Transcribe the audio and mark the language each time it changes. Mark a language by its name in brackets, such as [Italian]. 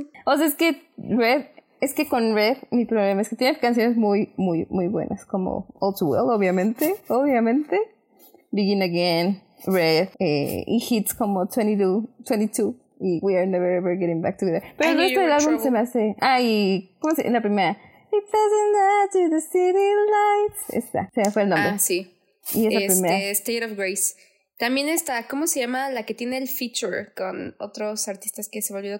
[Spanish] O sea, es que con Red, mi problema es que tiene canciones muy, muy, muy buenas. Como All Too Well, obviamente. Begin Again, Red. Y hits como 22. Y We Are Never Ever Getting Back Together. Pero el resto del álbum se me hace... ¿cómo se dice? La primera. [English] It doesn't matter the city lights. [Spanish] Esta, se me fue el nombre. Ah, sí. Y es la primera. State of Grace. También está, ¿cómo se llama? La que tiene el feature con otros artistas que se me olvidó.